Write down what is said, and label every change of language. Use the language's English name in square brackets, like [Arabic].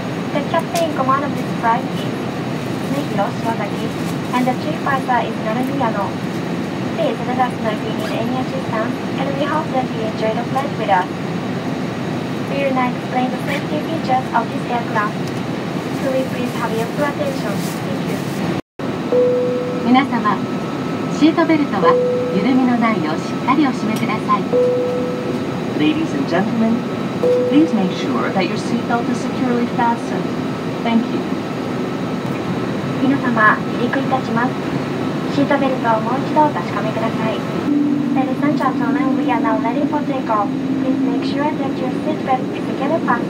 [English] The captain in command of this flight is Nehiro Shiwazaki, and the chief pilot is Narumi Yano. Please let us know if you need any assistance, and we hope that you enjoy the flight with us. We will now explain the safety features of this aircraft. So we please have your full attention. Thank you. [Japanese] 皆様、シートベルトは緩みのないようしっかりお締めください。 [English] Ladies and gentlemen, please make sure that your seatbelt is securely fastened. Thank you. [Japanese] 皆様、離陸いたします。シートベルトをもう一度お確かめください。 [English] Ladies and gentlemen, we are now ready for takeoff. Please make sure that your seatbelt is securely fastened.